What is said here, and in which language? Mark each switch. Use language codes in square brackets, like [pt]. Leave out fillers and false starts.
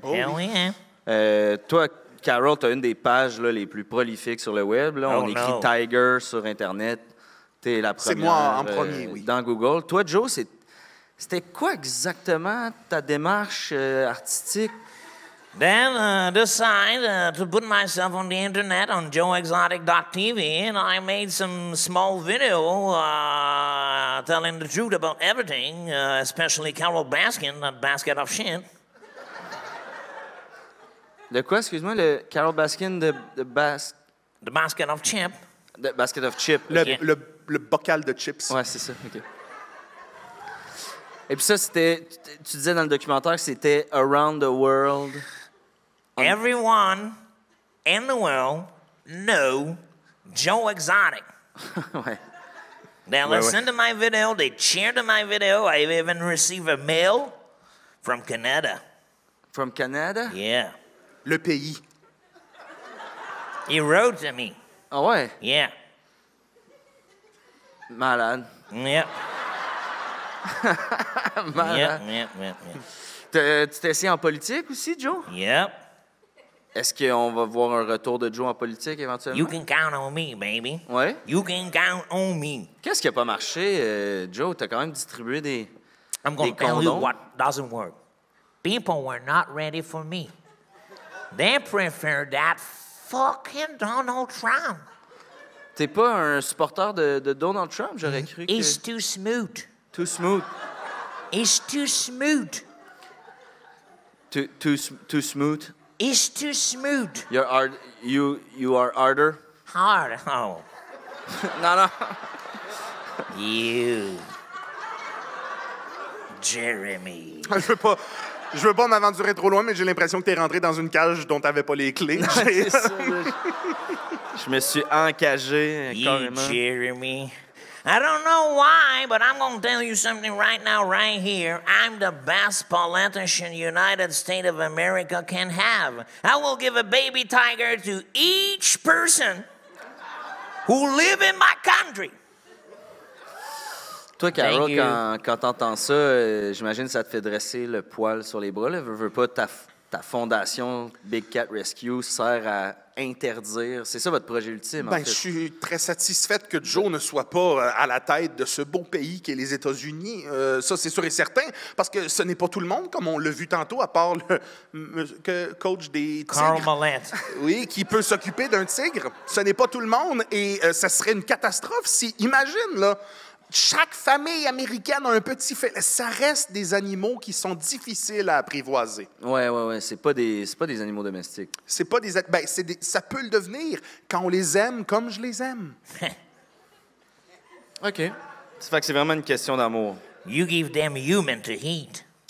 [fr] Oh, oui. Toi, Carol, tu as une des pages là, les plus prolifiques sur le web. Là. Oh, on écrit [en] no. [fr] Tiger sur Internet. T'es la première, c'est moi en premier, oui. Dans Google. Toi, Joe, c'était quoi exactement ta démarche artistique? [en] Then decide to put myself on the internet on joeexotic.tv and I made some small video telling the truth about everything, especially Carol Baskin, that basket of shit. [fr] De quoi, excuse-moi, le Carol Baskin [en] The basket of chip. The basket of chip. [fr] Le bocal de chips. Ouais, c'est ça. OK. Et puis ça, c'était. Tu disais dans le documentaire que c'était Around the World. [en] Everyone in the world know Joe Exotic. [fr] Ouais. [en] They listen to my video, they cheer to my video. I even receive a mail from Canada. From Canada? Yeah. [fr] Le pays. [en] He wrote to me. [fr] Ah ouais? [en] Yeah. [fr] Malade. [en] Yep. [fr] Malade. [en] Yep. [fr] Tu t'es essayé en politique aussi, Joe? [en] Yep. [fr] Est-ce qu'on va voir un retour de Joe en politique éventuellement? [en] You can count on me, baby. [fr] Oui? [en] You can count on me. [fr] Qu'est-ce qui a pas marché, Joe? T'as quand même distribué des condoms. [en] I'm gonna tell you what doesn't work. People were not ready for me. They prefer that fucking Donald Trump. T'es pas un supporter de Donald Trump, j'aurais cru que... He's too smooth. Too smooth. He's too smooth. Too smooth. He's too smooth. You are harder. Hard, oh. No. You. Jeremy. [fr] Je veux pas... Je veux pas m'aventurer trop loin, mais j'ai l'impression que t'es rentré dans une cage dont t'avais pas les clés. Non, c'est ça. Je me suis encagé, carrément. [en] Hey, Jeremy. I don't know why, but I'm gonna tell you something right now, right here. I'm the best politician United States of America can have. I will give a baby tiger to each person who live in my country. [fr] Toi, Caro, quand t'entends ça, j'imagine ça te fait dresser le poil sur les bras. Là. Veux pas, ta fondation Big Cat Rescue sert à interdire. C'est ça votre projet ultime, ben, en fait. Je suis très satisfaite que Joe ne soit pas à la tête de ce beau pays qu'est les États-Unis. Ça, c'est sûr et certain, parce que ce n'est pas tout le monde, comme on l'a vu tantôt, à part le coach des tigres. Carl Mallette. Oui, qui peut s'occuper d'un tigre. Ce n'est pas tout le monde, et ça serait une catastrophe si, imagine, là, chaque famille américaine a un petit fait. Ça reste des animaux qui sont difficiles à apprivoiser. Ouais. C'est pas des animaux domestiques. C'est pas des. Ben, c'est des. Ça peut le devenir quand on les aime comme je les aime. OK. Ça fait que c'est vraiment une question d'amour. [en] You give them human to eat.